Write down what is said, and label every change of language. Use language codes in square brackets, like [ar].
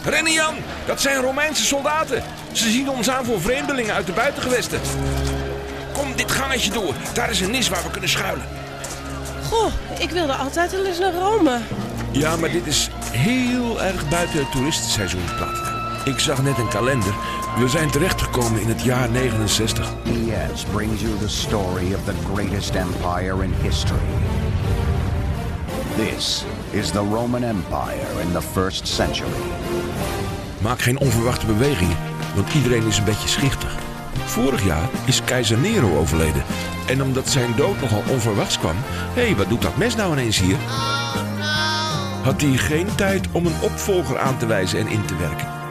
[nl] Rennen, Jan, dat zijn Romeinse soldaten. Ze zien ons aan voor vreemdelingen uit de buitengewesten. Kom dit gangetje door. Daar is een nis waar we kunnen schuilen. Goh, ik wilde altijd wel eens naar Rome. Ja, maar dit is heel erg buiten het toeristenseizoen, Platina. Ik zag net een kalender. We zijn terechtgekomen in het jaar 69. [en] Diaz brings you the story of the greatest empire in history. This is the Roman Empire in the first century. [nl] Maak geen onverwachte bewegingen, want iedereen is een beetje schichtig. Vorig jaar is keizer Nero overleden. En omdat zijn dood nogal onverwachts kwam... Hé, wat doet dat mes nou ineens hier? [en] Oh, no. [nl] Had hij geen tijd om een opvolger aan te wijzen en in te werken.